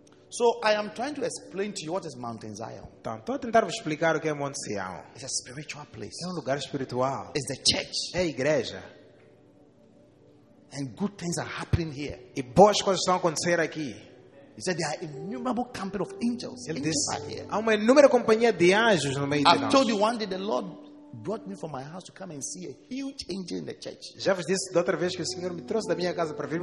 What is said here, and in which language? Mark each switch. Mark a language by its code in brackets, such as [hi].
[en] So I am trying to explain to you what is Mount Zion. [pt] Então, estou a tentar vos explicar o que é Monte Sião. [en] It's a spiritual place. [pt] É um lugar espiritual. [en] It's the church. [pt] É a igreja. [en] And good things are happening here. [pt] E boas coisas estão a acontecer aqui. [en] He said there are innumerable company of angels. [pt] Ele disse, há uma inúmera companhia de anjos no meio de nós. [en] I've told you one day the Lord brought me from my house to come and see a huge angel in the church. [pt] Já vos disse da outra vez que o Senhor me trouxe da minha casa para ver